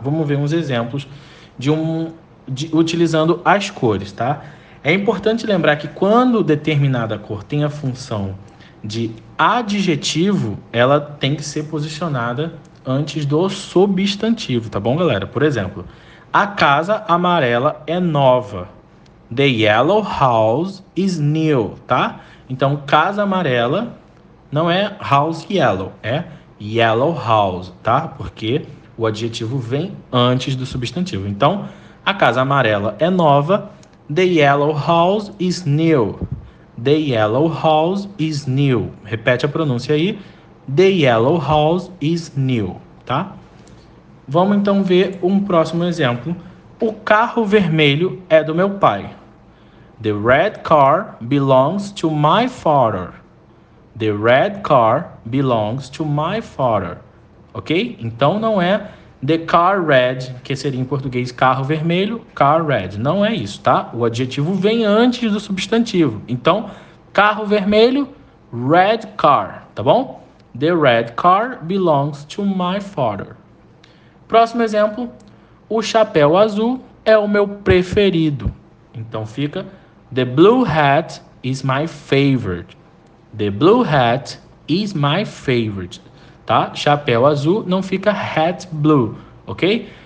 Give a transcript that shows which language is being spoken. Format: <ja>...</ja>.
<pt>Vamos ver uns exemplos utilizando as cores, tá? É importante lembrar que quando determinada cor tem a função de adjetivo, ela tem que ser posicionada antes do substantivo, tá bom, galera? Por exemplo, a casa amarela é nova.</pt> <en>The yellow house is new,</en> <pt>tá? Então, casa amarela não é</pt> <en>house yellow,</en> <pt>é</pt> <en>yellow house,</en> <pt>tá? Porque o adjetivo vem antes do substantivo. Então, a casa amarela é nova.</pt> <en>The yellow house is new. The yellow house is new.</en> <pt>Repete a pronúncia aí.</pt> <en>The yellow house is new,</en> <pt>tá? Vamos então ver um próximo exemplo. O carro vermelho é do meu pai.</pt> <en>The red car belongs to my father. The red car belongs to my father. Ok?</en> <pt>Então não é</pt> <en>the car red,</en> <pt>que seria em português carro vermelho,</pt> <en>car red.</en> <pt>Não é isso, tá? O adjetivo vem antes do substantivo. Então, carro vermelho,</pt> <en>red car,</en> <pt>tá bom?</pt> <en>The red car belongs to my father.</en> <pt>Próximo exemplo, o chapéu azul é o meu preferido. Então fica.</pt> <en>The blue hat is my favorite. The blue hat is my favorite.</en> <pt>Tá? Chapéu azul não fica</pt> <en>hat blue,</en> <pt>ok?</pt>